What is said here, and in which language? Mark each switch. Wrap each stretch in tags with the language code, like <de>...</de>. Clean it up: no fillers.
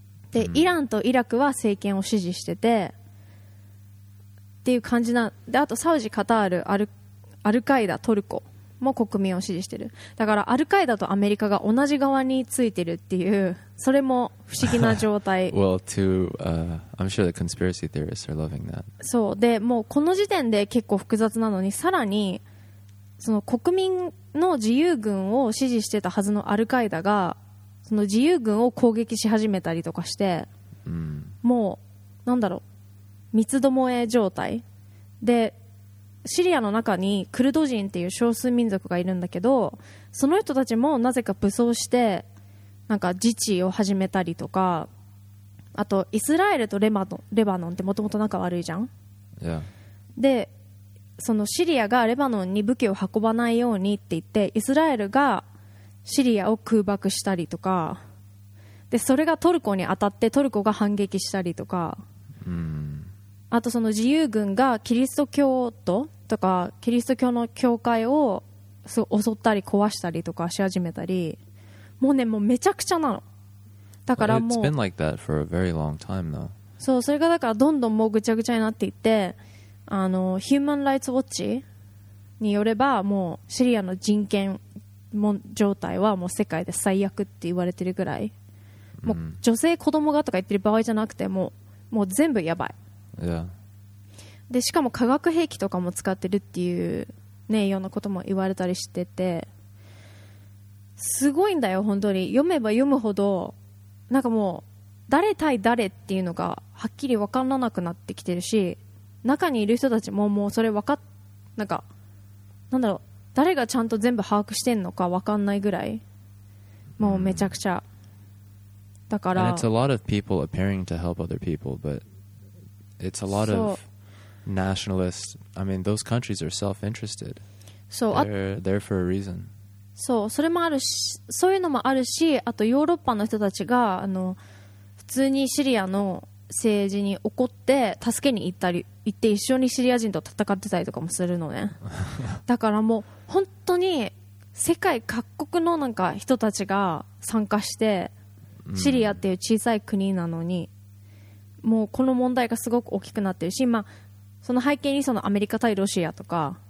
<ja>でイランとイラクは政権を支持しててっていう感じな。であとサウジ、カタール、アルカイダ、トルコも国民を支持してる。だからアルカイダとアメリカが同じ側についてるっていう、それも不思議な状態。</ja> <en>Well, to, I'm sure the conspiracy theorists are loving that.</en> <ja>そう、でもうこの時点で結構複雑なのに、さらにその国民の自由軍を支持してたはずのアルカイダがその自由軍を攻撃し始めたりとかして、もうなんだろう、三つどもえ状態で、シリアの中にクルド人っていう少数民族がいるんだけど、その人たちもなぜか武装してなんか自治を始めたりとか、あとイスラエルとレバノンってもともと仲悪いじゃん、でそのシリアがレバノンに武器を運ばないようにって言ってイスラエルがシリアを空爆したりとか、でそれがトルコに当たってトルコが反撃したりとか、あとその自由軍がキリスト教徒とかキリスト教の教会を襲ったり壊したりとかし始めたり、もうね、もうめちゃくちゃなの。だからもう</ja> <en>It's been like that for a very long time though.</en> <ja>そう、それがだからどんどんもうぐちゃぐちゃになっていって、Human Rights Watch によればもうシリアの人権も状態はもう世界で最悪って言われてるぐらい、もう女性子供がとか言ってる場合じゃなくてもう全部やばい、 yeah. でしかも化学兵器とかも使ってるっていうね、ようなことも言われたりしてて、すごいんだよ本当に。読めば読むほどなんかもう誰対誰っていうのがはっきり分からなくなってきてるし、中にいる人たちももうそれ分かっ、なんかなんだろう、誰がちゃんと全部把握してんのか分かんないぐらい、もうめちゃくちゃ、だから、</ja> <en>And it's a lot of people appearing to help other people, but it's a lot of nationalists. I mean, those countries are self-interested. So, they're there for a reason.</en> <ja>そう、それもあるし、そういうのもあるし、あとヨーロッパの人たちが普通にシリアの政治に怒って助けに行ったり行って一緒にシリア人と戦ってたりとかもするのね。だからもう本当に世界各国のなんか人たちが参加して、シリアっていう小さい国なのにもうこの問題がすごく大きくなってるし、まあその背景にそのアメリカ対ロシアとか、</ja>